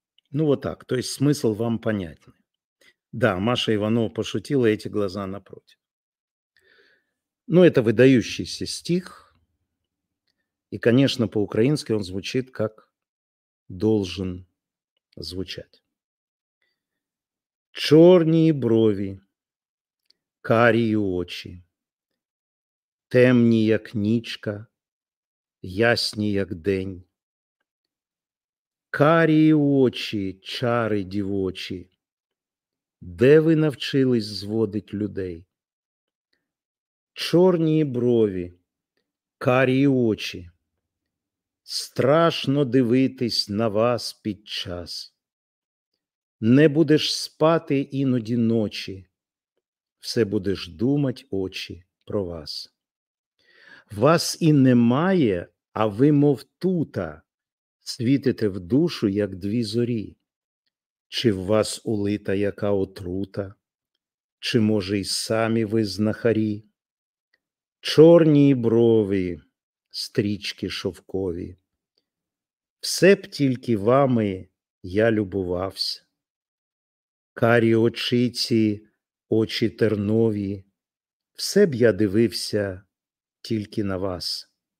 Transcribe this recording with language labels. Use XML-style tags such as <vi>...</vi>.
<ru>Ну вот так, то есть смысл вам понятен. Да, Маша Иванова пошутила, эти глаза напротив. Ну, это выдающийся стих. И, конечно, по-украински он звучит, как должен звучать.</ru> <uk>Чорні брові, карі очі, темні, як нічка, ясні, як день. Карі очі, чари дівочі, де ви навчились зводить людей? Чорні брові, карі очі, страшно дивитись на вас під час. Не будеш спати іноді ночі, все будеш думать, очі, про вас. Вас і немає, а ви, мов, тута, світите в душу, як дві зорі. Чи в вас улита яка отрута? Чи, може, й самі ви знахарі? Чорні брові, стрічки шовкові, все б тільки вами я любувався. Карі очиці, очі тернові, все б я дивився тільки на вас.</uk>